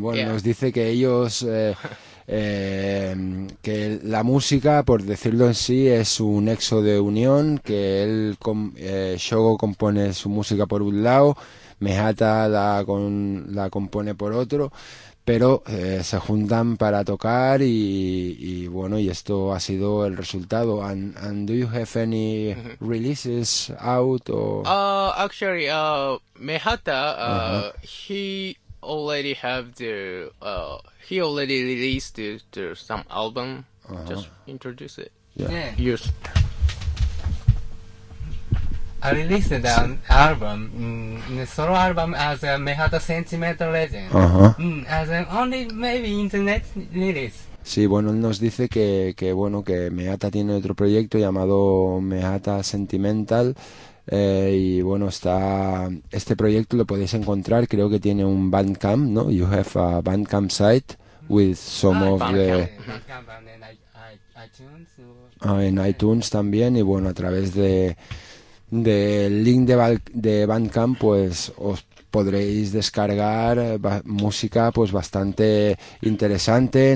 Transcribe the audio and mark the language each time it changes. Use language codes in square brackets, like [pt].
[es] Bueno, nos dice que ellos que la música, por decirlo en sí, es un nexo de unión, que él Shogo compone su música por un lado, Mehata la compone por otro, pero se juntan para tocar y bueno, y esto ha sido el resultado. [en] And do you have any releases out or actually Mehata he already have the he already released the some album. Uh-huh. Just introduce it. Yeah. Yes. I released an album, a solo album as a Mehata Sentimental Legend. Uh-huh. As an only maybe internet release. [es] Sí, bueno, él nos dice que bueno, que Mehata tiene otro proyecto llamado Mehata Sentimental. Y bueno, está este proyecto, lo podéis encontrar, creo que tiene un Bandcamp, ¿no? [en] You have a Bandcamp site with some of Bandcamp. The Bandcamp and iTunes. [es] En iTunes también, y bueno, a través del link de Bandcamp, pues os podréis descargar música pues bastante interesante.